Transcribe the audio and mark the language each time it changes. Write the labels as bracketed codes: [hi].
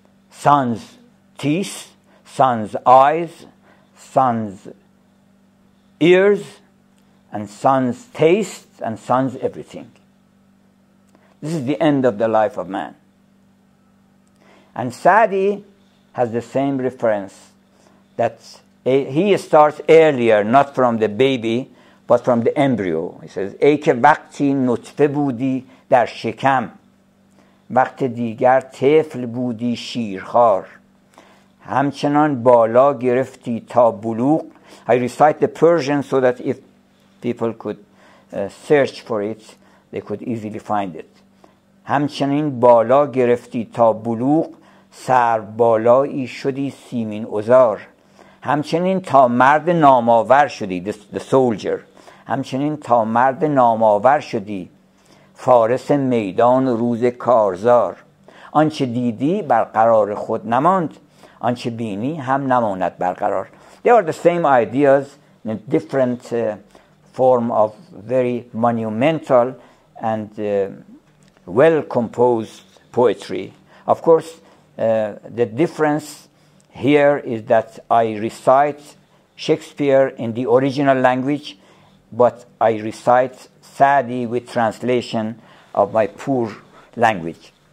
[en] Son's teeth, son's eyes, son's ears, and son's taste, and son's everything. This is the end of the life of man. And Sa'di has the same reference, that he starts earlier, not from the baby, but from the embryo. He says, [fa] ای که وقتی نطفه بودی در شکم، وقت دیگر طفل بودی شیرخوار، همچنان بالا گرفتی تا بلوغ. [en] I recite the Persian so that if people could search for it, they could easily find it. [fa] همچنین بالا گرفتی تا بلوغ، سر بالایی شدی سیمین ازار، همچنین تا مرد نام‌آور شدی، [en] the soldier. [fa] همچنین تا مرد نام‌آور شدی، فارس میدان روز کارزار. آنچه دیدی برقرار خود نماند، آنچه بینی هم نماند برقرار. [en] They are the same ideas in a different form of very monumental and well-composed poetry. Of course, the difference here is that I recite Shakespeare in the original language, but I recite Sa'di with translation of my poor language.